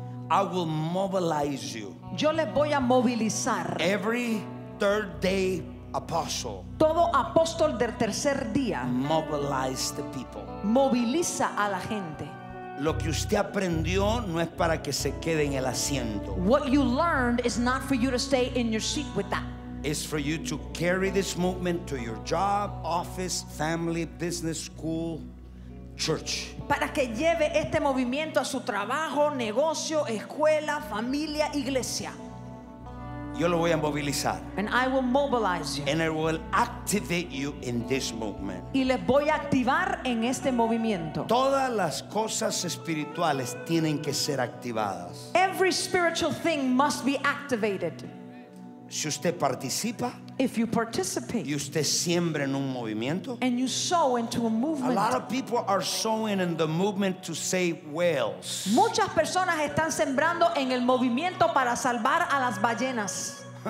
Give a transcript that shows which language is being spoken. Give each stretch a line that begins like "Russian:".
English: I will mobilize you.
Spanish: Yo les voy a movilizar.
English: Every third day apostle.
Spanish: Todo apóstol del tercer día.
English: Mobilize the people.
Spanish: Moviliza a la gente. Lo que usted aprendió no es para que se quede en el asiento.
English: What you learned is not for you to stay in your seat with that. It's for you to carry this movement to your job, office, family, business, school, church.
Spanish: Para que lleve este movimiento a su trabajo, negocio, escuela, familia, iglesia. Yo lo voy a movilizar.
English: And I will mobilize you. And I will activate you in this movement.
Spanish: Y les voy a activar en este movimiento. Todas las cosas espirituales tienen que ser activadas.
English: Every spiritual thing must be activated.
Spanish: Si usted participa,
English: if you participate,
Spanish: y usted siembra en un movimiento,
English: and you sow into a movement. A lot of people are sowing in the movement to save whales.
Spanish: Muchas personas están sembrando en el movimiento para salvar a las ballenas.